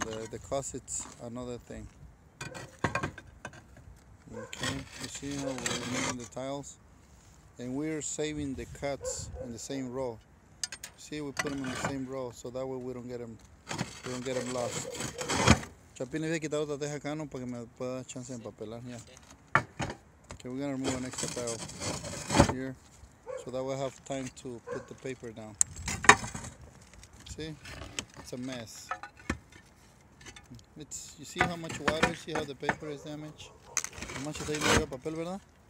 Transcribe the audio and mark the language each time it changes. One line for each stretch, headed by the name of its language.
English: The cause, it's another thing. Okay, you see how we're removing the tiles? And we're saving the cuts in the same row. See, we put them in the same row, so that way we don't get them lost.
Spanish: Chapín, le voy a quitar otra teja acá, ¿no? Para que me pueda dar chance de empapelar, ya.
English: Okay, we're gonna remove an extra tile here, so that we'll have time to put the paper down. See? It's a mess. It's, you see how much water, see how the paper is damaged? How much they made up
Spanish: papel, verdad?